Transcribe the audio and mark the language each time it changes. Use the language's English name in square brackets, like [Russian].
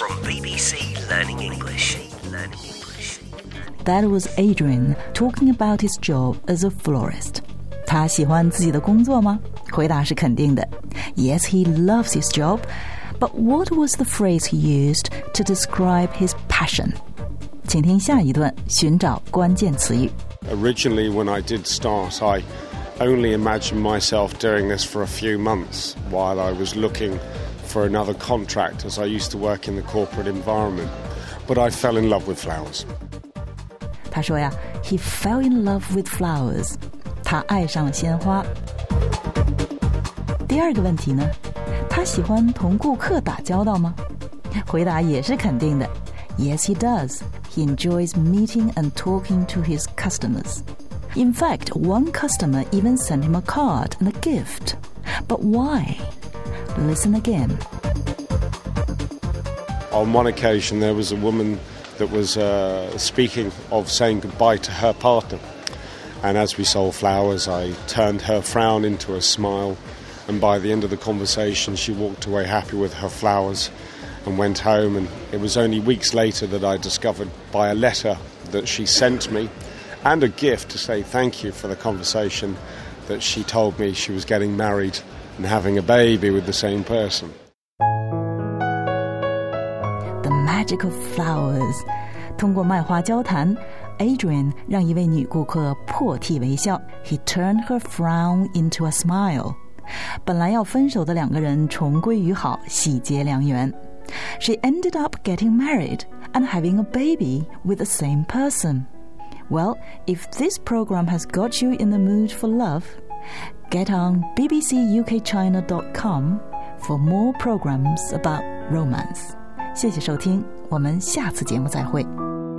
[English] From BBC Learning English, Learning English That was Adrian talking about his job as a florist [Chinese] 他喜欢自己的工作吗？回答是肯定的 [English] Yes, he loves his job But what was the phrase he used to describe his passion? [Chinese] 请听下一段寻找关键词语 [English] Originally when I did start, I... only imagine myself doing this for a few months while I was looking for another contract as I used to work in the corporate environment. But I fell in love with flowers. [Chinese] 他说呀, [English] he fell in love with flowers. [Chinese] 他爱上了鲜花。第二个问题呢,他喜欢同顾客打交道吗? 回答也是肯定的。 [English] Yes, he does. He enjoys meeting and talking to his customers. In fact, one customer even sent him a card and a gift. But why? Listen again. On one occasion, there was a woman that was speaking of saying goodbye to her partner. And as we sold flowers, I turned her frown into a smile. And by the end of the conversation, she walked away happy with her flowers and went home. And it was only weeks later that I discovered by a letter that she sent me. And a gift to say thank you for the conversation that she told me she was getting married and having a baby with the same person. The magic of flowers. [Chinese] 通过卖花交谈， Adrian 让一位女顾客破涕为笑。 [English] He turned her frown into a smile. [Chinese] 本来要分手的两个人重归于好，喜结良缘。 [English] She ended up getting married and having a baby with the same person. Well, if this program has got you in the mood for love, get on bbcukchina.com for more programs about romance. [Chinese] 谢谢收听，我们下次节目再会。